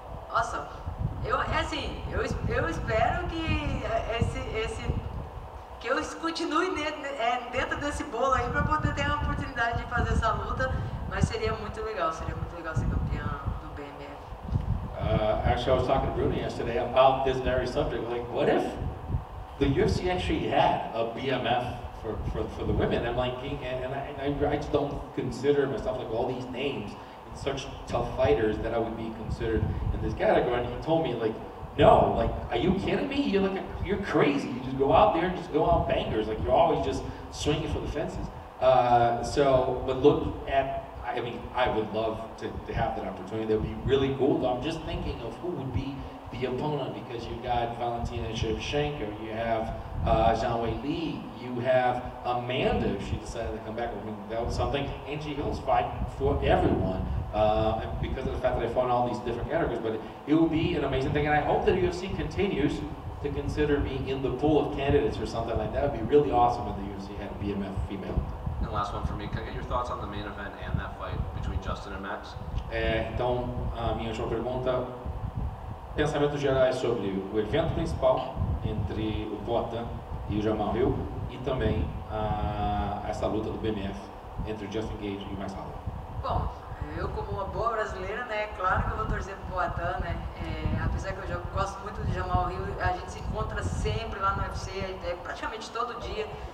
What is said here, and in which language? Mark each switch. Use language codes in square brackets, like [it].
[pt] Nossa, eu espero que esse que eu continue dentro desse bolo aí pra poder ter a oportunidade de fazer essa luta. Mas seria muito legal ser campeão do BMF. [en] Actually, I was talking to Bruno yesterday about this very subject. Like, what if the UFC actually had a BMF for the women? I'm like, and I just don't consider myself like all these names and such tough fighters that I would be considered in this category. And he told me, like, no, like, are you kidding me? You're crazy. You just go out there and just go out bangers. Like, you're always just swinging for the fences. I would love to have that opportunity. That would be really cool. I'm just thinking of who would be the opponent, because you've got Valentina Shevchenko, you have Zhang Wei Li, you have Amanda, if she decided to come back. I mean, that was something. Angie Hill's fight for everyone because of the fact that I fought in all these different categories. But it will be an amazing thing, and I hope that UFC continues to consider me in the pool of candidates or something like that. It would be really awesome if the UFC had a BMF female. And last one for me, can I get your thoughts on the main event and that fight between Justin and Max? [pt] Então, a minha última pergunta, pensamentos gerais sobre o evento principal entre o Cota e o Jamal Hill e também essa luta do BMF entre o Justin Gage e o Max Holloway. Bom, eu como uma boa brasileira, né, claro que eu vou torcer pro Cota, né, apesar que eu já gosto muito de Jamal Hill, a gente se encontra sempre lá no UFC, praticamente todo dia.